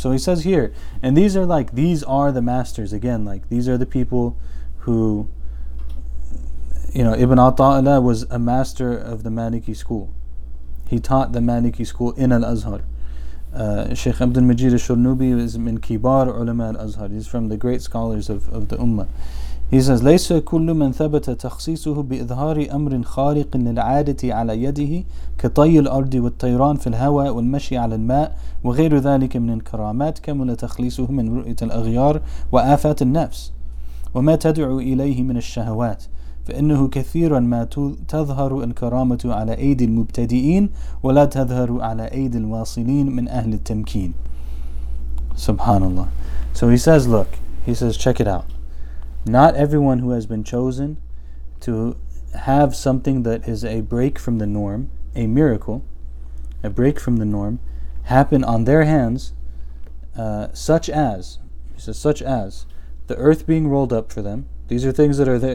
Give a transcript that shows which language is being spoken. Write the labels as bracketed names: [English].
[English] So he says here, and these are the masters. Again, like, these are the people who... You know, Ibn Ataillah was a master of the Maliki school. He taught the Maliki school in Al-Azhar. Sheikh Abdul Majid al-Shurnubi is [Arabic] min kibar ulama al-Azhar. [English] He's from the great scholars of the Ummah. He says, [Arabic] لَيْسَ كُلُّ مَنْ ثَبَتَ تَخْصِيصُهُ بِإِذْهَارِ أَمْرٍ خَارِقٍ لِلْعَادَةِ عَلَى يَدِهِ كَطَيِّ الْأَرْضِ وَالطَّيْرَانِ فِي الْهَوَى وَالْمَشِي عَلَى الْمَاءِ وَغَيْرُ ذَلِكَ مِنَ الْكَرَامَاتِ كَمُلَ تَخْلِيصُهُ مِنْ رُؤْيَةِ الْأَغْيَارِ وَآفَاتِ النَّفْسِ وَمَا تَدْعُو إِلَيْهِ مِنَ الشَّهَوَاتِ فإنه كثيرا ما تظهر الكرامة على أيدي المبتدئين ولا تظهر على أيدي الواصلين من أهل التمكين. Subhanallah. [English] So he says, look, he says, check it out. Not everyone who has been chosen to have something that is a break from the norm, a miracle, a break from the norm, happen on their hands, such as, he says, such as the earth being rolled up for them. These are things that are there.